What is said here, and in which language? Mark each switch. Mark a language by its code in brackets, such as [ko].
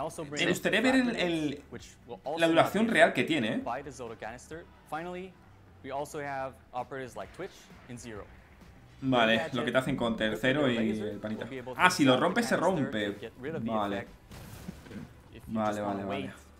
[es] Me gustaría ver la duración real que tiene, ¿eh? [en] We also have operators like Twitch and Zero. [es] Vale, lo que te hacen con el cero y el panita. Ah, si lo rompes, se rompe. Vale. Vale, vale, vale.